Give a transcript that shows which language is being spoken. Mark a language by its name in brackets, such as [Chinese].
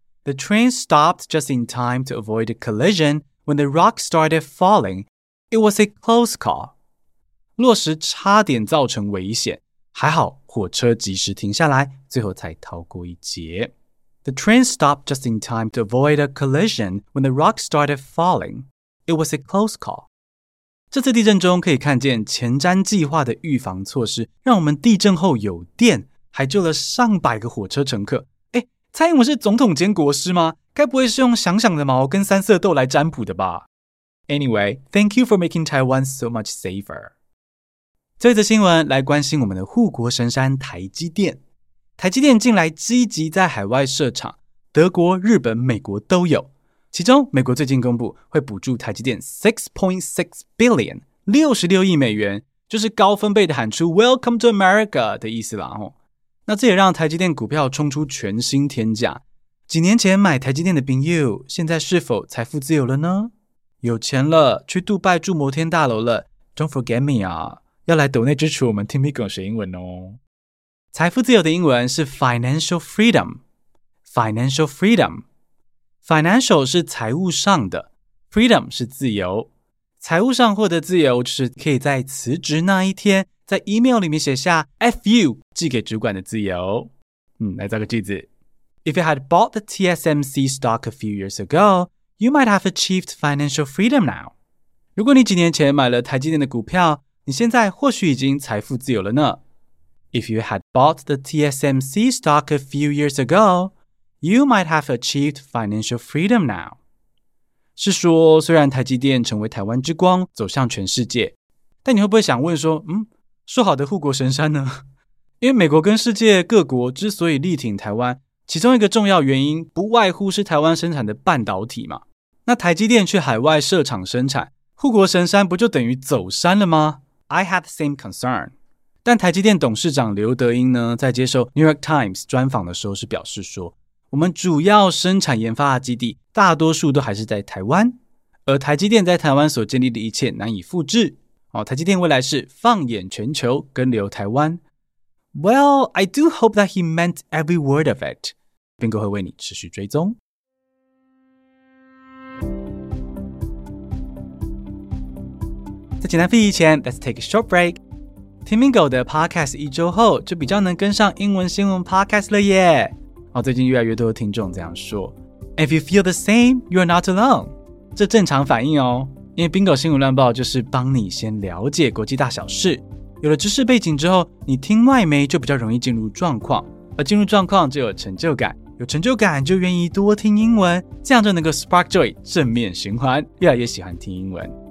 [English] The train stopped just in time to avoid a collision when the rock started falling. It was a close call. [Chinese] 落石差点造成危险，还好火车及时停下来，最后才逃过一劫。 [English] The train stopped just in time to avoid a collision when the rock started falling. It was a close call. [Chinese] 这次地震中可以看见前瞻计划的预防措施，让我们地震后有电，还救了上百个火车乘客。蔡英文是总统兼国师吗？该不会是用想想的毛跟三色豆来占卜的吧？ [English] Anyway, thank you for making Taiwan so much safer. [Chinese] 这则新闻来关心我们的护国神山台积电。台积电近来积极在海外设厂，德国、日本、美国都有。其中美国最近公布会补助台积电 $6.6 billion, 66亿美元，就是高分贝的喊出 [English] Welcome to America [Chinese] 的意思啦。那这也让台积电股票冲出全新天价。几年前买台积电的 Bingyu 现在是否财富自由了呢？有钱了，去杜拜住摩天大楼了。 [English] Don't forget me [Chinese] 啊，要来抖内支持我们 Timmy 狗学英文哦。财富自由的英文是 financial freedom。financial freedom。 financial 是财务上的， freedom 是自由。财务上获得自由就是可以在辞职那一天在 email 里面写下 FU 寄给主管的自由。来造个句子。 [English] If you had bought the TSMC stock a few years ago, you might have achieved financial freedom now. [Chinese] 如果你几年前买了台积电的股票，你现在或许已经财富自由了呢。 [English] If you had bought the TSMC stock a few years ago, you might have achieved financial freedom now. [Chinese] 是说虽然台积电成为台湾之光走向全世界，但你会不会想问说，说好的护国神山呢？因为美国跟世界各国之所以力挺台湾，其中一个重要原因不外乎是台湾生产的半导体嘛。那台积电去海外设厂生产，护国神山不就等于走山了吗？ [English] I had the same concern。 [Chinese] 但台积电董事长刘德英呢，在接受 New York Times 专访的时候是表示说，我们主要生产研发的基地大多数都还是在台湾，而台积电在台湾所建立的一切难以复制。台积电未来是放眼全球，跟留台湾。 [English] Well, I do hope that he meant every word of it. [Chinese] 斌哥会为你持续追踪。在简单复习前 ， [English] Let's take a short break. [Chinese] 听 Bingo 的 podcast 一周后就比较能跟上英文新闻 podcast 了耶。最近越来越多的听众这样说。 [English] If you feel the same, you are not alone. [Chinese] 这正常反应哦。因为 Bingo 新闻乱报就是帮你先了解国际大小事，有了知识背景之后，你听外媒就比较容易进入状况，而进入状况就有成就感，有成就感就愿意多听英文，这样就能够 spark joy 正面循环，越来越喜欢听英文。